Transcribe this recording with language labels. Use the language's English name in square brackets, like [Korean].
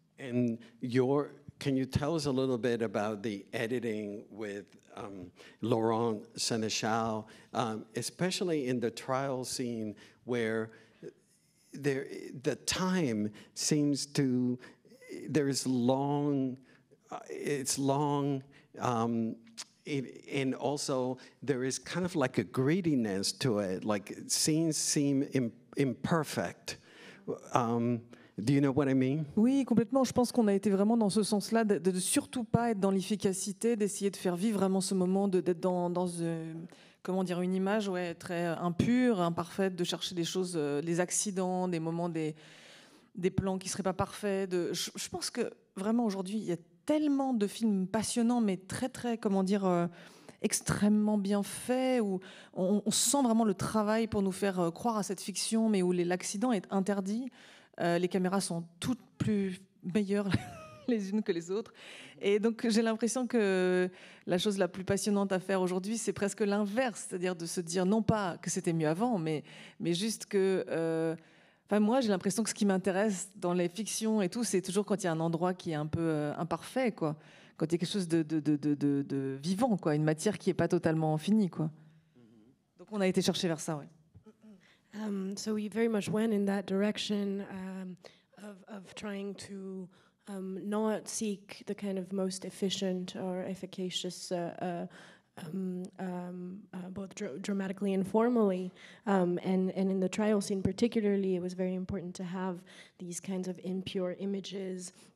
[English] And your, can you tell us a little bit about the editing with Laurent Senechal, especially in the trial scene where there, the time seems to, there's long, it's long, and also there is kind of like a greediness to it, like scenes seem imperfect. Do you know what I mean? [French] Oui, complètement. Je pense qu'on a été vraiment dans ce sens-là, de surtout pas être dans l'efficacité, d'essayer de faire vivre vraiment ce moment, d'être dans comment dire, une image ouais, très impure, imparfaite, de chercher des choses, les accidents, des moments, des plans qui ne seraient pas parfaits. Je pense que vraiment aujourd'hui, il y a tellement de films passionnants, mais très, très, comment dire, extrêmement bien faits, où on sent vraiment le travail pour nous faire croire à cette fiction, mais où l'accident est interdit. Les caméras sont toutes plus meilleures les unes que les autres. Et donc, j'ai l'impression que la chose la plus passionnante à faire aujourd'hui, c'est presque l'inverse, c'est-à-dire de se dire, non pas que c'était mieux avant, mais juste que... moi, j'ai l'impression que ce qui m'intéresse dans les fictions et tout, c'est toujours quand il y a un endroit qui est un peu imparfait, quoi. Quand il y a quelque chose de vivant, quoi. Une matière qui n'est pas totalement finie, quoi. Donc, on a été chercher vers ça, ouais. [English] So we very much went in that direction of trying to not seek the kind of most efficient or efficacious both dramatically and formally, and in the trial scene particularly, it was very important to have these kinds of impure images